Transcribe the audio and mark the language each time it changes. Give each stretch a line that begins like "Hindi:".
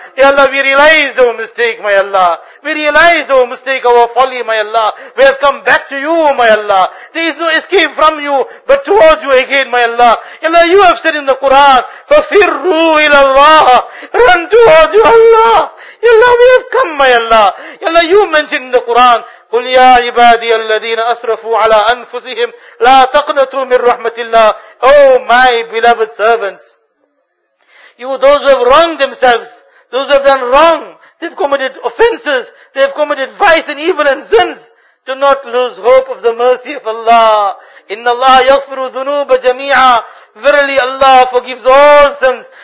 English: Ya Allah, we realize our mistake, my Allah. We realize our mistake, our folly, my Allah. We have come back to you, my Allah. There is no escape from you, but towards you again, my Allah. Ya Allah, you have said in the Quran,
Arabic: فَفِرُّوا إِلَى اللَّهِ.
English: Run towards you, Allah. Ya Allah, we have come, my Allah. Ya Allah, you mentioned in the Quran,
Arabic: قُلْ يَا عِبَادِيَ الَّذِينَ أَسْرَفُوا عَلَىٰ أَنفُسِهِمْ لَا تَقْنَتُوا مِنْ رَحْمَةِ اللَّهِ.
English: Oh my beloved servants, you those who have wronged themselves, those who have done wrong, they've committed offenses, they've committed vice and evil and sins, do not lose hope of the mercy of Allah.
Arabic: إِنَّ اللَّهَ يَغْفِرُ ذُنُوبَ جَمِيعًا.
English: Verily Allah forgives all sins.